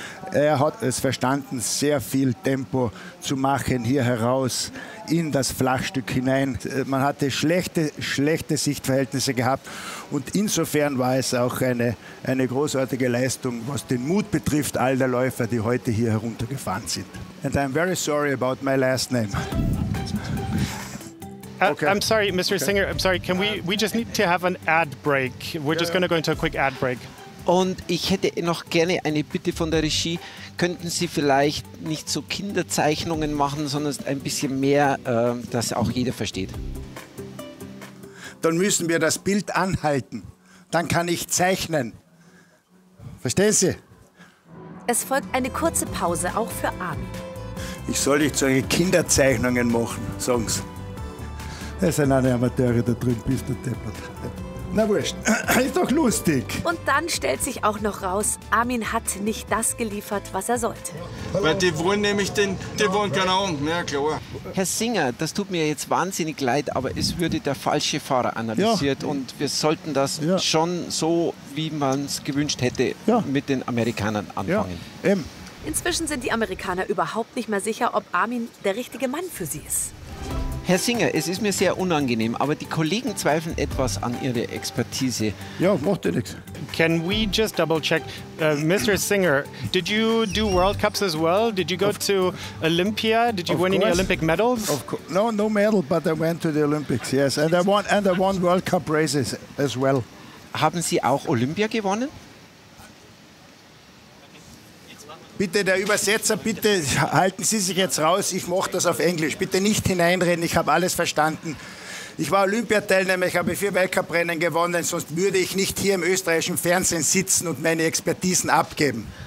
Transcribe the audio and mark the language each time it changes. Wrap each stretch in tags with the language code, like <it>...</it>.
<de>Er hat es verstanden, sehr viel Tempo zu machen hier heraus in das Flachstück hinein. Man hatte schlechte Sichtverhältnisse gehabt und insofern war es auch eine großartige Leistung, was den Mut betrifft, all der Läufer, die heute hier heruntergefahren sind.</de> <en>And I'm very sorry about my last name. Okay. I'm sorry, Mr. Okay. Singer, I'm sorry, can we just need to have an ad break. We're just going to go into a quick ad break.</en> <de>Und ich hätte noch gerne eine Bitte von der Regie. Könnten Sie vielleicht nicht so Kinderzeichnungen machen, sondern ein bisschen mehr, dass auch jeder versteht? Dann müssen wir das Bild anhalten. Dann kann ich zeichnen. Verstehen Sie? Es folgt eine kurze Pause, auch für Armin. Ich soll nicht solche Kinderzeichnungen machen, sagen Sie. Das sind alle Amateure da drin, bist du deppert. Na wurscht, ist doch lustig. Und dann stellt sich auch noch raus, Armin hat nicht das geliefert, was er sollte. Weil die wollen nämlich den, die wollen keine Ahnung, ja klar. Herr Singer, das tut mir jetzt wahnsinnig leid, aber es würde der falsche Fahrer analysiert. Ja. Und wir sollten das schon so, wie man es gewünscht hätte, mit den Amerikanern anfangen. Ja. Inzwischen sind die Amerikaner überhaupt nicht mehr sicher, ob Armin der richtige Mann für sie ist. Herr Singer, es ist mir sehr unangenehm, aber die Kollegen zweifeln etwas an Ihrer Expertise. Ja, macht ja nichts.</de> <en>Can we just double check, Mr. Singer, did you do World Cups as well? Did you go to Olympia? Did you win any Olympic medals? No medal, but I went to the Olympics, yes. And I won World Cup races as well.</en> <de>Haben Sie auch Olympia gewonnen? Bitte, der Übersetzer, bitte halten Sie sich jetzt raus. Ich mache das auf Englisch. Bitte nicht hineinreden, ich habe alles verstanden. Ich war Olympiateilnehmer, ich habe 4 Weltcuprennen gewonnen, sonst würde ich nicht hier im österreichischen Fernsehen sitzen und meine Expertisen abgeben.</de>